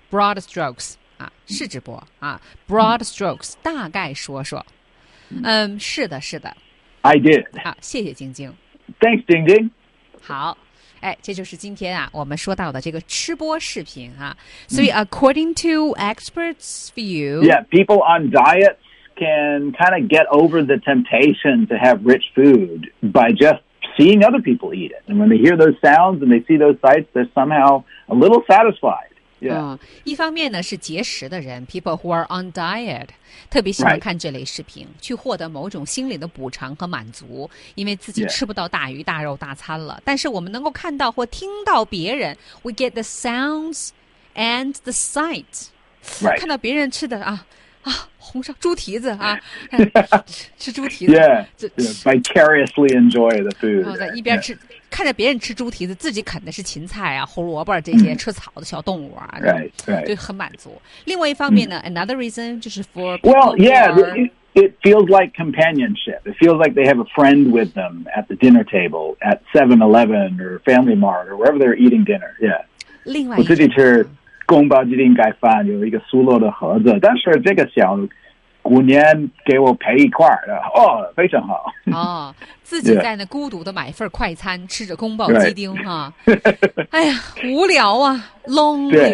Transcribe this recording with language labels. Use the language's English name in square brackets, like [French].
[English] Broad strokes. [Chinese] 是直播啊 ， [English] broad strokes， [Chinese] 大概说说。是的，是的。 [English] I did。 [Chinese] 好，谢谢晶晶。 [English] Thanks， 晶晶。 [Chinese] 好，哎，这就是今天啊，我们说到的这个吃播视频啊。所以 [English] ，according to experts' view， yeah， people on diets can kind of get over the temptation to have rich food by just seeing other people eat it， and when they hear those sounds and they see those sights， they're somehow a little satisfied。 [Chinese] 一方面呢是节食的人 [English] people who are on diet [Chinese] 特别喜欢看这类视频、去获得某种心理的补偿和满足因为自己吃不到大鱼大肉大餐了、但是我们能够看到或听到别人 [English] we get the sounds and the sight、 [Chinese] 看到别人吃的啊红烧猪蹄子啊吃猪蹄子 [English] vicariously enjoy the food [Chinese] 在一边吃、看着别人吃猪蹄子自己啃的是芹菜啊胡萝卜这些吃草的小动物啊对、right, right. 就很满足另外一方面呢、 [English] another reason [Chinese] 就是 [English] for well yeah it feels like companionship it feels like they have a friend with them at the dinner table at 7-Eleven or Family Mart or wherever they're eating dinner yeah [Chinese] 另外一种我自己吃宫保鸡丁盖饭有一个酥肉的盒子但是这个小姑娘给我陪一块儿哦非常好哦自己在那孤独的买份快餐、吃着宫保鸡丁哈、哎呀无聊啊 lonely